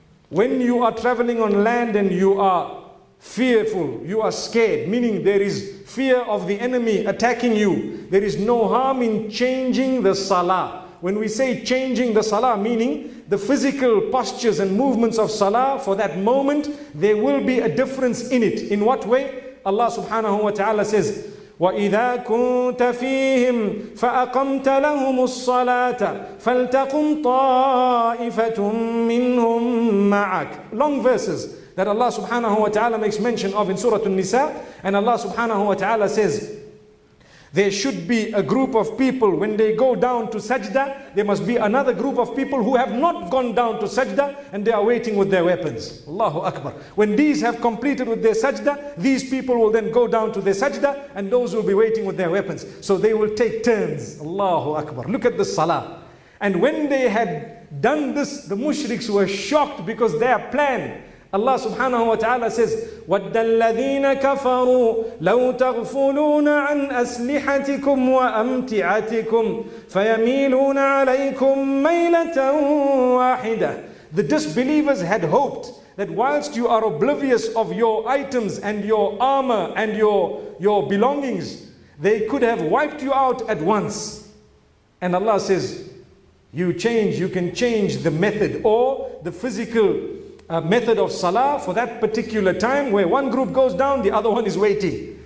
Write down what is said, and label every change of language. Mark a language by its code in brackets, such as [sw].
[en] When you are traveling on land and you are fearful, you are scared, meaning there is fear of the enemy attacking you, there is no harm in changing the salah. When we say changing the salah, meaning the physical postures and movements of salah for that moment, there will be a difference in it. In what way? [ar] Allah subhanahu wa ta'ala says, وَإِذَا كُنْتَ فِيهِمْ فَأَقَمْتَ لَهُمُ الصَّلَاةَ فَلْتَقُمْ طَائِفَةٌ مِّنْهُمْ مَعَكَ. [en] Long verses that Allah subhanahu wa ta'ala makes mention of in Surah An-Nisa, and Allah subhanahu wa ta'ala says, there should be a group of people when they go down to sajda, there must be another group of people who have not gone down to sajda and they are waiting with their weapons. Allahu Akbar. When these have completed with their sajda, these people will then go down to their sajda and those will be waiting with their weapons. So they will take turns. Allahu Akbar. Look at the salah. And when they had done this, the mushriks were shocked because their plan. [ar] Allah subhanahu wa ta'ala says, وَدَّ الَّذِينَ كَفَرُوا لَوْ تَغْفُلُونَ عَنْ أَسْلِحَتِكُمْ وَأَمْتِعَتِكُمْ فَيَمِيلُونَ عَلَيْكُمْ مَيْلَةً وَاحِدَةً. [en] The disbelievers had hoped that whilst you are oblivious of your items and your armor and your belongings, they could have wiped you out at once. And Allah says, you can change the method or the physical method of salah for that particular time where one group goes down, the other one is waiting.